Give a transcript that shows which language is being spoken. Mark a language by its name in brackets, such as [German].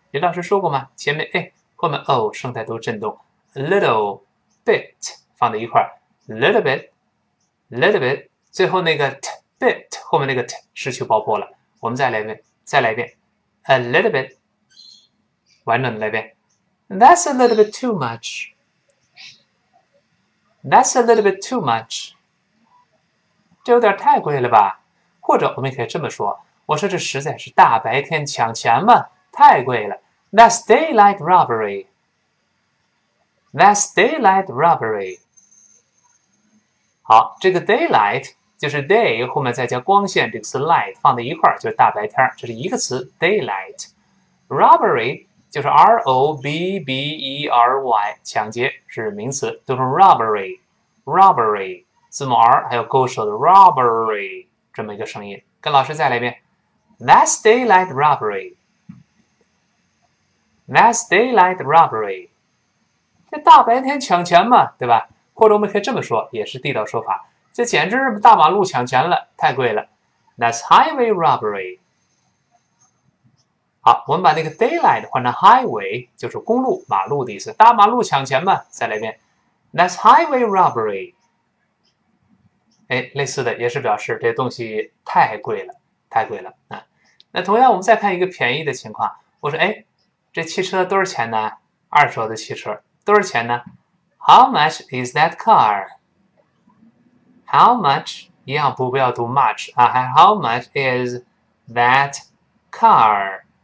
[Chinese] 李老师说过吗？前面 a。后面 o 声带都震动，little bit 放在一块儿，little bit，little bit，最后那个 t bit 后面那个 t 失去爆破了。我们再来一遍，再来一遍， [English] a little bit， [Chinese] 完整的来一遍。 [English] That's a little bit too much. That's a little bit too much. [Chinese] 这有点太贵了吧？或者我们也可以这么说，我说这实在是大白天抢钱嘛，太贵了。 [English] That's daylight robbery. That's daylight robbery. [Chinese] 好，这个 daylight 就是 day 后面再加光线，这个词 light 放在一块儿就是大白天，这是一个词 daylight. Robbery 就是 r o b b e r y 抢劫是名词，读成 robbery, robbery 字母 r 还有勾舌的 robbery 这么一个声音。跟老师再来一遍 [English] ，That's daylight robbery. That's daylight robbery. [Chinese] 这大白天抢钱嘛，对吧？或者我们可以这么说，也是地道说法。这简直是大马路抢钱了，太贵了。 [English] That's highway robbery. [Chinese] 好，我们把那个 daylight 换成 highway， 就是公路、马路的意思。大马路抢钱嘛，再来一遍。 [English] That's highway robbery. [Chinese] 哎，类似的也是表示这东西太贵了，太贵了啊。那同样，我们再看一个便宜的情况，我说哎。这汽车多少钱呢？二手的汽车多少钱呢？ [English] How much is that car? How much [Chinese] 一样不要读 [English] much 啊，还 How much is that car?